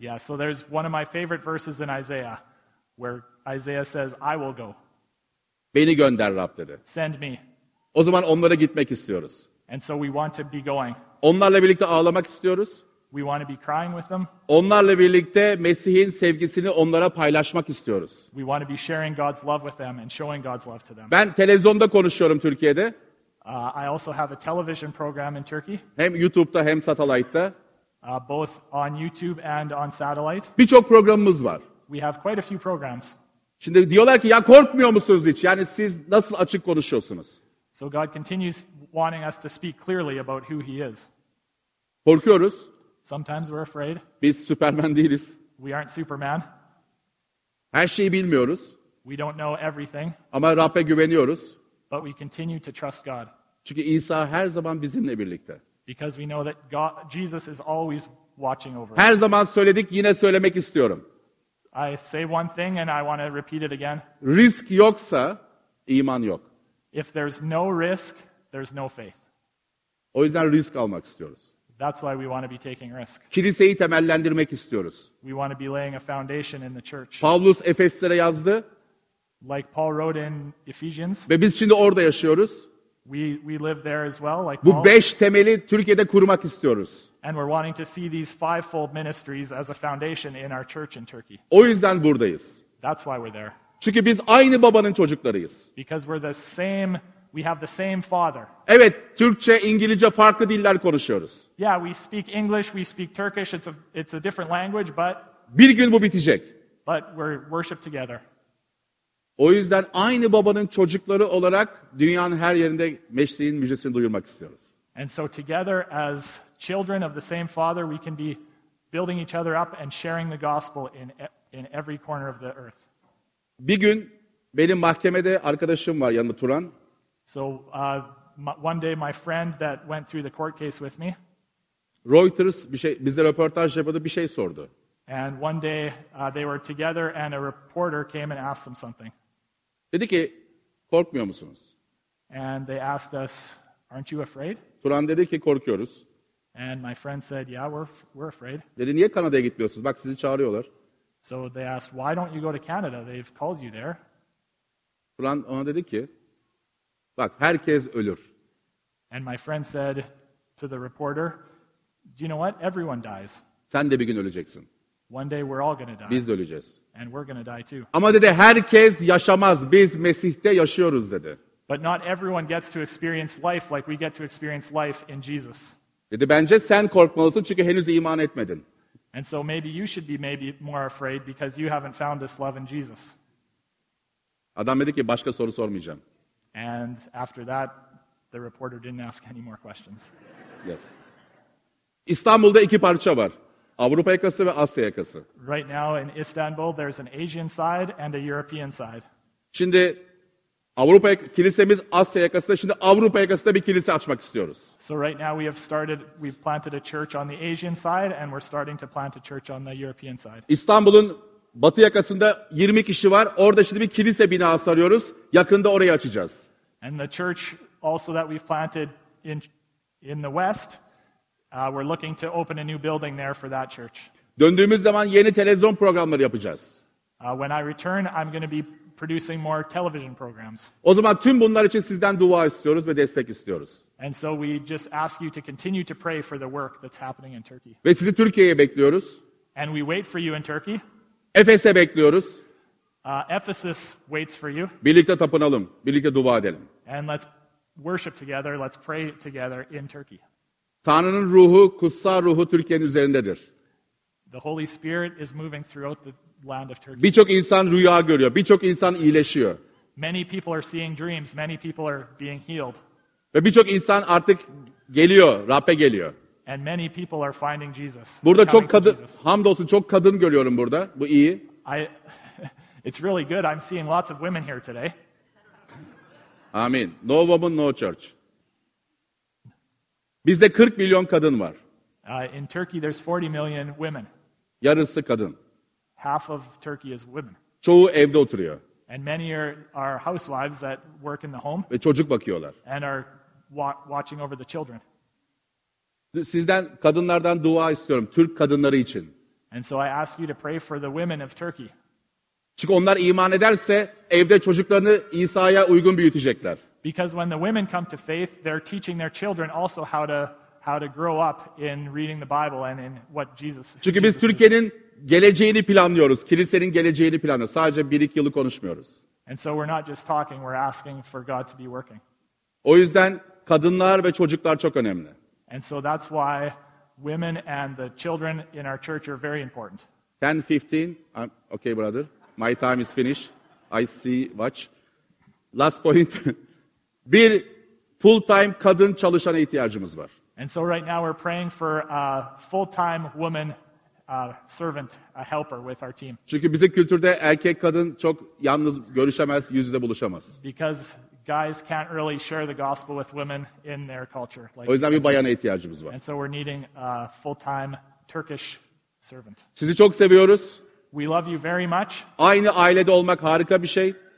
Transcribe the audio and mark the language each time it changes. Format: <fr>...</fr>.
<en>Yeah, so there's one of my favorite verses in Isaiah where Isaiah says I will go.</en> <tr>Beni gönder Rab dedi.</tr> <en>Send me.</en> <tr>O zaman onlara gitmek istiyoruz.</tr> <en>And so we want to be going.</en> <tr>Onlarla birlikte ağlamak istiyoruz.</tr> <en>We want to be crying with them.</en> <tr>Onlarla birlikte Mesih'in sevgisini onlara paylaşmak istiyoruz.</tr> <en>We want to be sharing God's love with them and showing God's love to them.</en> <tr>Ben televizyonda konuşuyorum Türkiye'de.</tr> <en>I also have a television program in Turkey.</en> <tr>Hem YouTube'da hem satellite'da.</tr> <en>Both on YouTube and on satellite.</en> <tr>Birçok programımız var.</tr> <en>We have quite a few programs.</en> <tr>Şimdi diyorlar ki ya korkmuyor musunuz hiç? Yani siz nasıl açık konuşuyorsunuz?</tr> <en>So God continues wanting us to speak clearly about who he is.</en> <tr>Korkuyoruz.</tr> <en>Sometimes we're afraid.</en> <tr>Biz Superman değiliz.</tr> <en>We aren't Superman.</en> <tr>Her şeyi bilmiyoruz.</tr> <en>We don't know everything.</en> <tr>Ama Rab'be güveniyoruz.</tr> <en>But we continue to trust God.</en> <tr>Çünkü İsa her zaman bizimle birlikte.</tr> <en>Because we know that God, Jesus is always watching over us.</en> <tr>Her zaman söyledik, yine söylemek istiyorum.</tr> <en>I say one thing and I want to repeat it again.</en> <tr>Risk yoksa iman yok.</tr> <en>If there's no risk, there's no faith.</en> <tr>O yüzden risk almak istiyoruz.</tr> <en>That's why we want to be taking risk.</en> <tr>Kiliseyi temellendirmek istiyoruz.</tr> <en>We want to be laying a foundation in the church.</en> <tr>Paulus Efeslere yazdı.</tr> <en>Like Paul wrote in Ephesians.</en> <tr>Ve biz şimdi orada yaşıyoruz.</tr> <en>We live there as well, like</en> <tr>Paul. Bu beş temeli Türkiye'de kurmak istiyoruz.</tr> <en>And we're wanting to see these fivefold ministries as a foundation in our church in Turkey.</en> <tr>O yüzden buradayız.</tr> <en>That's why we're there.</en> <tr>Çünkü biz aynı babanın çocuklarıyız.</tr> <en>Because we're the same, we have the same father.</en> <tr>Evet, Türkçe, İngilizce farklı diller konuşuyoruz.</tr> <en>Yeah, we speak English, we speak Turkish. It's a different language, but</en> <tr>bir gün bu bitecek.</tr> <en>But we're worship together.</en> <tr>O yüzden aynı babanın çocukları olarak dünyanın her yerinde meşriğin müjdesini duyurmak istiyoruz.</tr> <en>And so together as children of the same father, we can be building each other up and sharing the gospel in every corner of the earth.</en> <tr>Bir gün benim mahkemede arkadaşım var yanımda Turan.</tr> <en>So one day my friend that went through the court case with me.</en> <tr>Reuters bize röportaj yapıyordu, bir şey sordu.</tr> <en>And one day they were together and a reporter came and asked them something.</en> <tr>Dedi ki, korkmuyor musunuz?</tr> <en>And they asked us, aren't you afraid?</en> <tr>Turan dedi ki, korkuyoruz.</tr> <en>And my friend said, yeah, we're afraid.</en> <tr>Dedi, niye Kanada'ya gitmiyorsunuz? Bak sizi çağırıyorlar.</tr> <en>So they asked, why don't you go to Canada? They've called you there.</en> <tr>Turan ona dedi ki, bak herkes ölür.</tr> <en>And my friend said to the reporter, do you know what? Everyone dies.</en> <tr>Sen de bir gün öleceksin.</tr> <en>One day we're all going to die.</en> <tr>Biz de öleceğiz.</tr> <en>And we're going to die too.</en> <tr>Ama dedi herkes yaşamaz. Biz Mesih'te yaşıyoruz dedi.</tr> <en>But not everyone gets to experience life like we get to experience life in Jesus.</en> <tr>Dedi bence sen korkmalısın çünkü henüz iman etmedin.</tr> <en>And so maybe you should be maybe more afraid because you haven't found this love in Jesus.</en> <tr>Adam dedi ki başka soru sormayacağım.</tr> <en>And after that the reporter didn't ask any more questions. Yes.</en> <tr>İstanbul'da iki parça var. Avrupa yakası ve Asya yakası.</tr> <en>Right now in Istanbul there's an Asian side and a European side.</en> <tr>Şimdi Avrupa kilisemiz Asya yakasında, şimdi Avrupa yakasında bir kilise açmak istiyoruz.</tr> <en>So right now we've planted a church on the Asian side and we're starting to plant a church on the European side.</en> <tr>İstanbul'un batı yakasında 20 kişi var. Orada şimdi bir kilise binası arıyoruz. Yakında orayı açacağız.</tr> <en>And the church also that we've planted in the west, we're looking to open a new building there for that church.</en> <tr>Döndüğümüz zaman yeni televizyon programları yapacağız.</tr> <en>When I return, I'm going to be producing more television programs.</en> <tr>O zaman tüm bunlar için sizden dua istiyoruz ve destek istiyoruz.</tr> <en>And so we just ask you to continue to pray for the work that's happening in Turkey.</en> <tr>Ve sizi Türkiye'ye bekliyoruz.</tr> <en>And we wait for you in Turkey.</en> <tr>Efes'e bekliyoruz.</tr> <en>Ephesus waits for you.</en> <tr>Birlikte tapınalım, birlikte dua edelim.</tr> <en>And let's worship together, let's pray together in Turkey.</en> <tr>Tanrı'nın ruhu, kutsal ruhu Türkiye'nin üzerindedir.</tr> <en>The Holy Spirit is moving throughout the land of Turkey.</en> <tr>Birçok insan rüya görüyor, birçok insan iyileşiyor.</tr> <en>Many people are seeing dreams, many people are being healed.</en> <tr>Ve birçok insan artık geliyor, Rab'be geliyor.</tr> <en>And many people are finding Jesus.</en> <tr>Burada çok kadın, hamdolsun çok kadın görüyorum burada. Bu iyi.</tr> <en>It's really good. I'm seeing lots of women here today. Amin. No woman, no church.</en> <tr>Bizde 40 milyon kadın var.</tr> <en>In Turkey there's 40 million women.</en> <tr>Yarısı kadın.</tr> <en>Half of Turkey is women.</en> <tr>Çoğu evde oturuyor.</tr> <en>And many are housewives that work in the home.</en> <tr>Ve çocuk bakıyorlar.</tr> <en>And are watching over the children.</en> <tr>Sizden kadınlardan dua istiyorum Türk kadınları için.</tr> <en>And so I ask you to pray for the women of Turkey.</en> <tr>Çünkü onlar iman ederse evde çocuklarını İsa'ya uygun büyütecekler.</tr> <en>Because when the women come to faith, they're teaching their children also how to grow up in reading the Bible and in what Jesus.</en> <tr>Çünkü</tr> <en>Jesus</en> <tr>biz Türkiye'nin geleceğini planlıyoruz. Kilisenin geleceğini planlıyoruz. Sadece 1-2 yılı konuşmuyoruz.</tr> <en>And so we're not just talking, we're asking for God to be working.</en> <tr>O yüzden Kadınlar ve çocuklar çok önemli.</tr> <en>And so that's why women and the children in our church are very important. 10:15. Okay, brother. My time is finished. I see watch. Last point.</en> <tr>Bir full-time kadın çalışan ihtiyacımız var.</tr> <en>And so right now we're praying for a full-time woman servant, a helper with our team.</en> <tr>Çünkü bizim kültürde erkek kadın çok yalnız görüşemez, yüz yüze buluşamaz.</tr> <en>Because guys can't really share the gospel with women in their culture.</en> <tr>Like, o yüzden bir bayana ihtiyacımız var.</tr> <en>And so we're needing a full-time Turkish servant.</en> <tr>Sizi çok seviyoruz.</tr> <en>We love you very much.</en> <tr>Aynı ailede olmak harika bir şey.</tr>